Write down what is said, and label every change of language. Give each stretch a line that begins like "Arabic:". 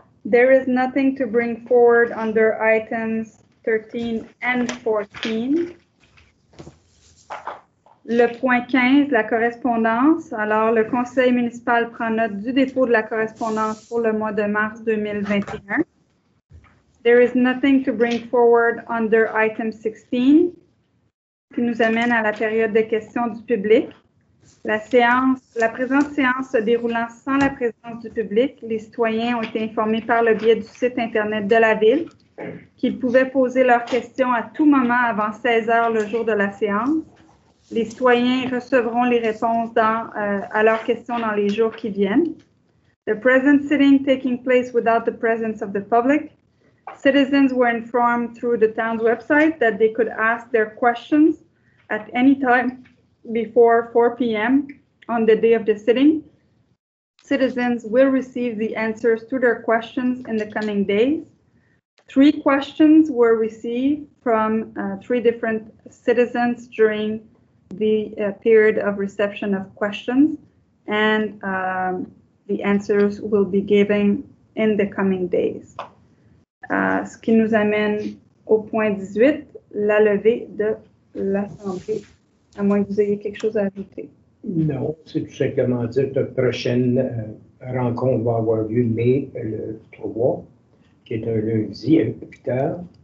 English: There is nothing to bring forward under items 13 and 14.
French: Le point 15, la correspondance. Alors, le conseil municipal prend note du dépôt de la correspondance pour le mois de mars 2021.
English: There is nothing to bring forward under item 16,
French: qui nous amène à la période de questions du public. La présente séance se déroulant sans la présence du public, les citoyens ont été informés par le biais du site internet de la ville qu'ils pouvaient poser leurs questions à tout moment avant 16 heures le jour de la séance. Les citoyens recevront les réponses à leurs questions dans les jours qui viennent.
English: The present sitting taking place without the presence of the public. Citizens were informed through the town's website that they could ask their questions at any time before 4 p.m. on the day of the sitting. Citizens will receive the answers to their questions in the coming days. Three questions were received from three different citizens during the period of reception of questions, and the answers will be given in the coming days.
French: Ce qui nous amène au point 18, la levée de l'Assemblée, à moins que vous ayez quelque chose à ajouter. Non, c'est tout simplement dire que la prochaine rencontre va avoir lieu mai le 3, qui est un lundi à 8h.